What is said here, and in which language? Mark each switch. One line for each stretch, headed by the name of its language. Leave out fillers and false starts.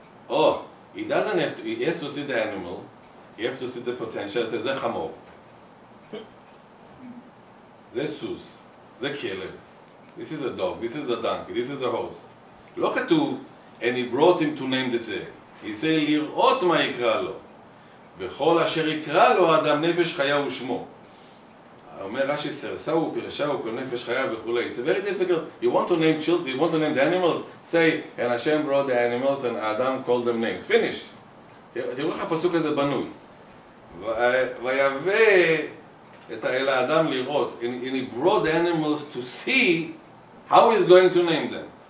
English: Oh, he doesn't have to. He has to see the animal. He has to see the potential. Say,
Hebrew: "Ze chamor, ze sus, ze kelev.
English: This is a dog. This is a donkey. This is a horse." Look at two, and he brought him to name the tzeh. He say,
Hebrew: "Lirot ma yikra lo." וכל אשר יקרא לו אדם נפש חיה ושמו. אומר רשי סרסאו ופרשאו כל נפש חיה וכולי.
English: It's a very difficult. You want to name children, you want to name the animals? Say, and Hashem brought the animals and Adam called them names. Finish.
Hebrew: תראו איך הפסוק הזה בנוי. ויבא את האלה אדם לראות.
English: And he brought the animals to see how he's going to name them.